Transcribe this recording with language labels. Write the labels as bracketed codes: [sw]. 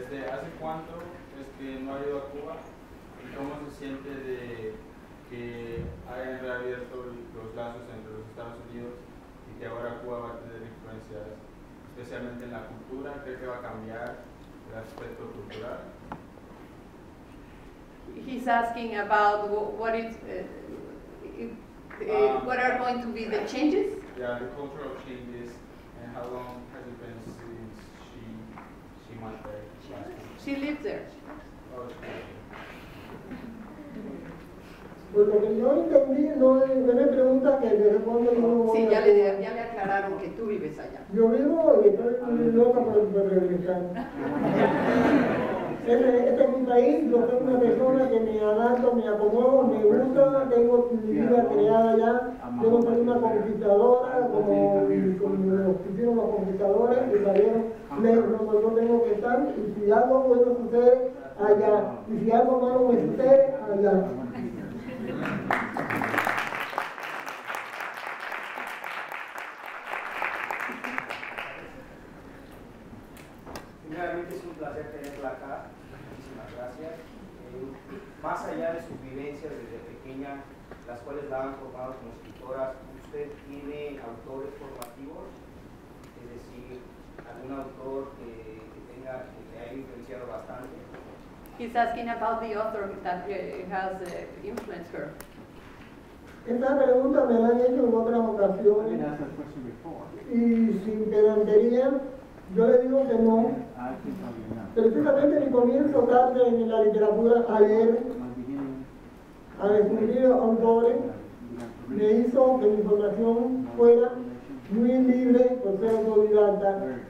[es] ¿Hace cuánto no ha ido a Cuba y cómo se siente de que hayan reabierto los lazos entre los Estados Unidos y que ahora Cuba va a tener influencias? Especialmente en la cultura, ¿cree que va a cambiar el aspecto cultural? [en] He's asking about what are going to be the changes? Yeah, the cultural changes, and how long has it been since she went there? She lived there. [es] Pues lo que yo entendí, no me pregunta que le responda como... Sí, ya le aclararon que tú vives allá. Yo vivo y estoy muy loca por regresar. Este es mi país, yo soy una persona que me adapto, me acomodo, me gusta, tengo mi vida creada ya. Yo no soy una conquistadora, como los que hicieron los conquistadores, y también donde yo tengo que estar, y si algo bueno sucede, allá. Y si algo malo me sucede, allá. Primeramente es un placer tenerla acá, muchísimas gracias. Más allá de sus vivencias desde pequeña, las cuales la han formado como escritora, ¿usted tiene autores formativos? Es decir, ¿algún autor que le haya influenciado bastante? [en] He's asking about the author that has influenced her. [es] Esta pregunta me la han hecho en otras ocasiones y sin pedantería yo le digo que no. Precisamente mi comienzo tarde en la literatura a leer, a descubrir autores, me hizo que mi formación fuera muy libre por ser autodidacta.